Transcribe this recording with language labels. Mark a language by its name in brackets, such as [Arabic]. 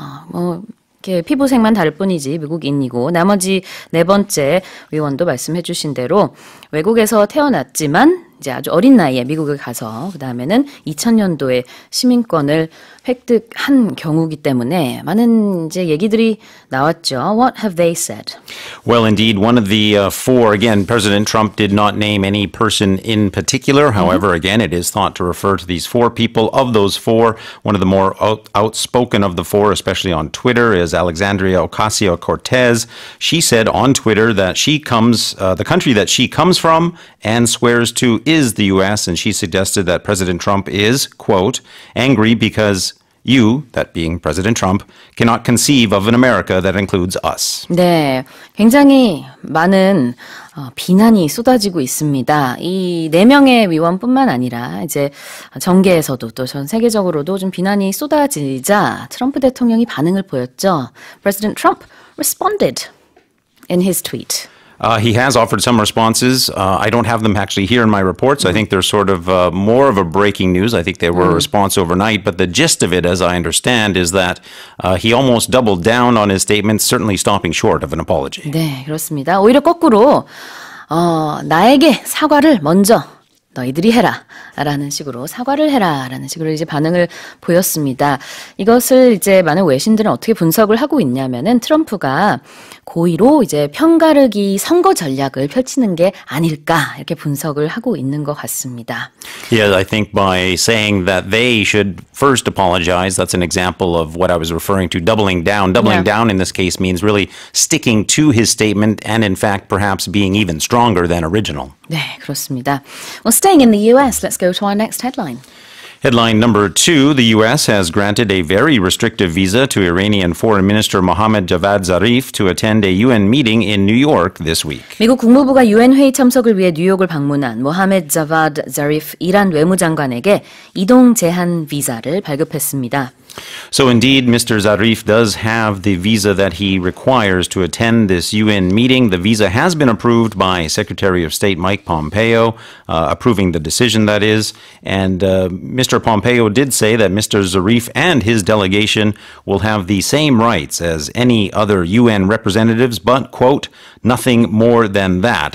[Korean] 뭐 이렇게 피부색만 다를 뿐이지 미국인이고 나머지 네 번째 의원도 말씀해 주신 대로 외국에서 태어났지만 이제 아주 어린 나이에 미국에 가서 그다음에는 2000년도에 시민권을 획득한 경우기 때문에 많은 이제 얘기들이 나왔죠. [English] What have they said? Well, indeed, one of the four, again, President Trump did not name any person in particular. However, again, it is thought to refer to these four people. Of those four, one of the more outspoken of the four, especially on Twitter, is Alexandria Ocasio-Cortez. She said on Twitter that she comes, the country that she comes from and swears to is the U.S., and she suggested that President Trump is, quote, angry because you, that being President Trump, cannot conceive of an America that includes us. [Korean] 네, 굉장히 많은 비난이 쏟아지고 있습니다. 이 네 명의 위원뿐만 아니라 이제 정계에서도 또 전 세계적으로도 좀 비난이 쏟아지자 트럼프 대통령이 반응을 보였죠. [English] President Trump responded in his tweet. He has offered some responses. I don't have them actually here in my reports. I think they're sort of more of a breaking news. I think they were a response overnight. But the gist of it, as I understand, is that he almost doubled down on his statements, certainly stopping short of an apology. [Korean] 네, 그렇습니다. 오히려 거꾸로 나에게 사과를 먼저 너희들이 해라 라는 식으로 사과를 해라 라는 식으로 이제 반응을 보였습니다. 이것을 이제 많은 외신들은 어떻게 분석을 하고 있냐면은 트럼프가 고의로 이제 편가르기 선거 전략을 펼치는 게 아닐까 이렇게 분석을 하고 있는 것 같습니다. [English] Yeah, I think by saying that they should first apologize, that's an example of what I was referring to, doubling down. Doubling down in this case means really sticking to his statement and in fact perhaps being even stronger than original. [Korean] 네, 그렇습니다. [English] Well, staying in the U.S., let's go to our next headline. Headline number two, the U.S. has granted a very restrictive visa to Iranian Foreign Minister Mohammad Javad Zarif to attend a U.N. meeting in New York this week. [Korean] 미국 국무부가 U.N. 회의 참석을 위해 뉴욕을 방문한 모하멘 자바드 자리프 이란 외무장관에게 이동 제한 비자를 발급했습니다. [English] So indeed, Mr. Zarif does have the visa that he requires to attend this UN meeting. The visa has been approved by Secretary of State Mike Pompeo, approving the decision, that is. And Mr. Pompeo did say that Mr. Zarif and his delegation will have the same rights as any other UN representatives, but, quote, nothing more than that.